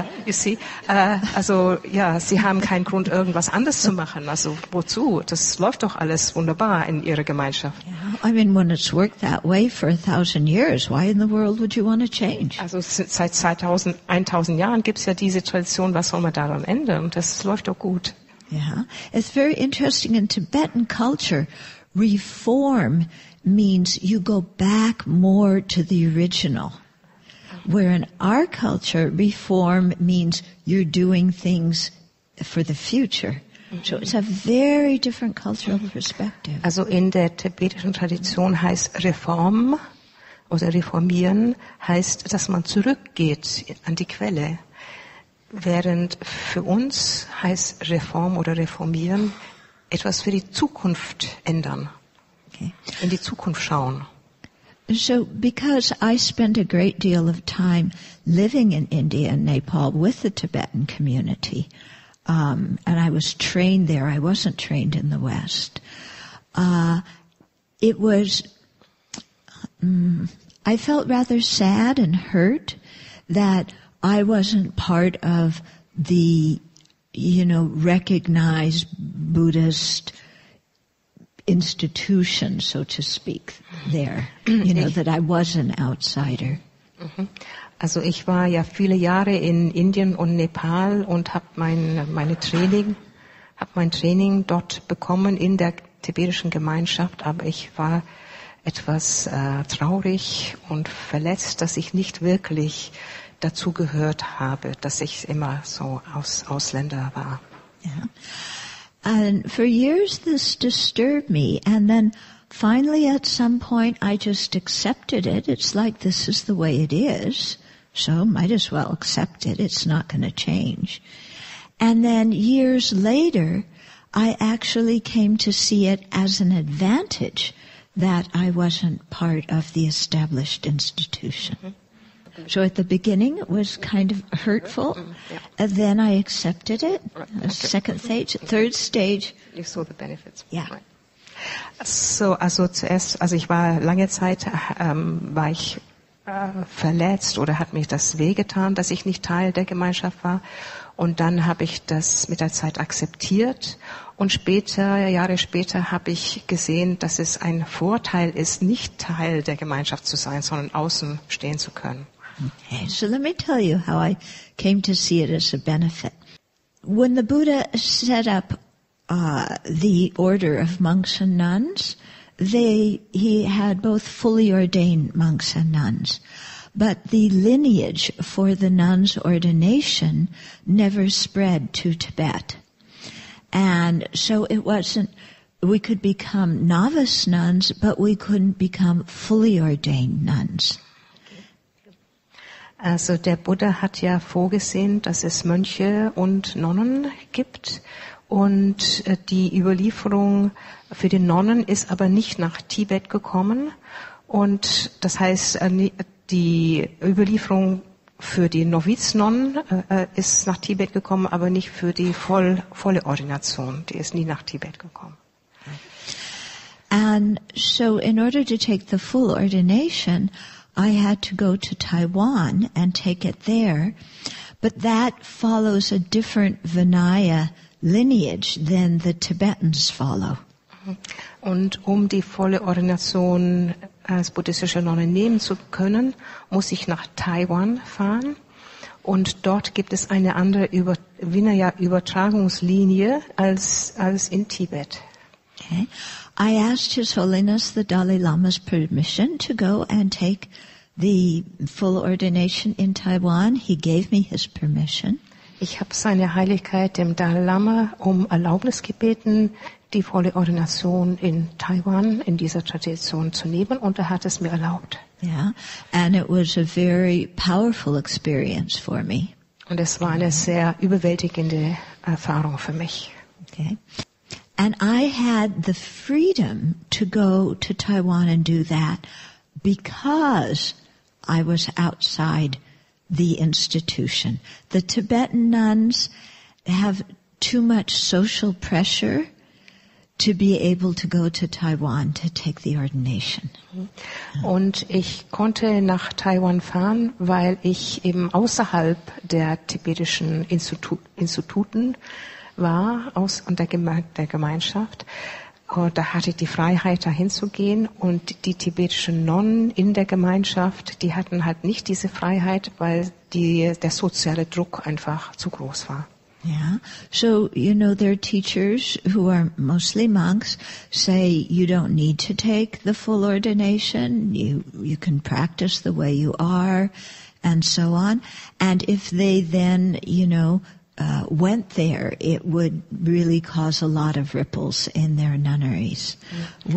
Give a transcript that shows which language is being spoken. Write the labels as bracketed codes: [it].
[de] Sie haben keinen Grund, irgendwas anders zu machen. Also wozu? Das läuft doch alles wunderbar in Ihrer Gemeinschaft. [en] Yeah. I mean, when it's worked that way for 1,000 years, why in the world would you want to change? [de] Also seit 1,000 Jahren gibt's ja diese Tradition. Was soll man daran ändern? Das läuft doch gut. [en] Yeah, it's very interesting in Tibetan culture. Reform means you go back more to the original. Where in our culture, reform means you're doing things for the future. So it's a very different cultural perspective. [de] Also in der tibetischen Tradition heißt Reform oder reformieren heißt, dass man zurückgeht an die Quelle. Während für uns heißt Reform oder reformieren etwas für die Zukunft ändern. Okay. In die Zukunft schauen. [en] So, because I spend a great deal of time living in India and Nepal with the Tibetan community, and I was trained there, I wasn't trained in the West, I felt rather sad and hurt that I wasn't part of the, you know, recognized Buddhist institution, so to speak, there, you know, that I was an outsider. [de] Also ich war ja viele Jahre in Indien und Nepal und habe mein Training dort bekommen in der tibetischen Gemeinschaft, aber ich war etwas traurig und verletzt, dass ich nicht wirklich dazu gehört habe, dass ich immer so Ausländer war. [en] Yeah. And for years this disturbed me, and then finally at some point I just accepted it. It's like this is the way it is, so might as well accept it. It's not going to change. And then years later, I actually came to see it as an advantage that I wasn't part of the established institution. So at the beginning it was kind of hurtful, and then I accepted it. Second stage, third stage. You saw the benefits. Yeah. [de] So, also zuerst, also ich war lange Zeit, war ich verletzt oder hat mich das wehgetan, dass ich nicht Teil der Gemeinschaft war. Und dann habe ich das mit der Zeit akzeptiert. Und später, Jahre später, habe ich gesehen, dass es ein Vorteil ist, nicht Teil der Gemeinschaft zu sein, sondern außen stehen zu können. [en] Okay, so let me tell you how I came to see it as a benefit. When the Buddha set up the order of monks and nuns, he had both fully ordained monks and nuns. But the lineage for the nuns' ordination never spread to Tibet. And so we could become novice nuns, but we couldn't become fully ordained nuns. [de] Also der Buddha hat ja vorgesehen, dass es Mönche und Nonnen gibt. Und die Überlieferung für die Nonnen ist aber nicht nach Tibet gekommen. Und das heißt, die Überlieferung für die Noviznonnen ist nach Tibet gekommen, aber nicht für die volle Ordination. Die ist nie nach Tibet gekommen. [en] And so in order to take the full ordination, I had to go to Taiwan and take it there, but that follows a different Vinaya lineage than the Tibetans follow. [de] Und um die volle Ordination als buddhistische Nonne nehmen zu können, muss ich nach Taiwan fahren. Und dort gibt es eine andere Vinaya-Übertragungslinie als in Tibet. [en] Okay. I asked His Holiness the Dalai Lama's permission to go and take the full ordination in Taiwan. He gave me his permission. [de] Ich habe seine Heiligkeit dem Dalai Lama um Erlaubnis gebeten, die volle Ordination in Taiwan in dieser Tradition zu nehmen, und er hat es mir erlaubt. [en] Yeah, and it was a very powerful experience for me. [de] Und es war eine sehr überwältigende Erfahrung für mich. [en] Okay. And I had the freedom to go to Taiwan and do that, because I was outside the institution. The Tibetan nuns have too much social pressure to be able to go to Taiwan to take the ordination. [de] Und ich konnte nach Taiwan fahren, weil ich eben außerhalb der tibetischen Instituten war, aus und der Gemeinschaft. Und da hatte ich die Freiheit, dahin zu gehen. Und die tibetischen Nonnen in der Gemeinschaft, die hatten halt nicht diese Freiheit, weil der soziale Druck einfach zu groß war. [en] Yeah. So, you know, their teachers, who are mostly monks, say you don't need to take the full ordination. You can practice the way you are, and so on. And if they then, you know, went there, it would really cause a lot of ripples in their nunneries. Mm-hmm.